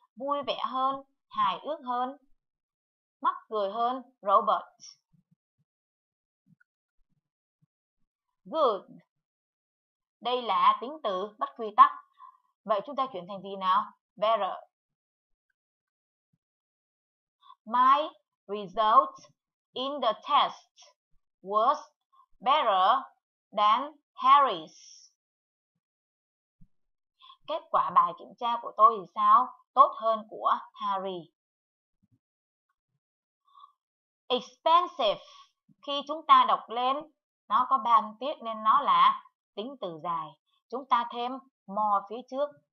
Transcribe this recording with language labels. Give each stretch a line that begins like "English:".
Vietnamese: Vui vẻ hơn, hài hước hơn, mắc cười hơn Robert.
English: Good.
Vietnamese: Đây là tính từ bất quy tắc. Vậy chúng ta chuyển thành gì nào?
English: Better. My result in the test was better than Harry's.
Vietnamese: Kết quả bài kiểm tra của tôi thì sao? Tốt hơn của Harry. Expensive. Khi chúng ta đọc lên, nó có ban tiết nên nó là tính từ dài. Chúng ta thêm more phía trước.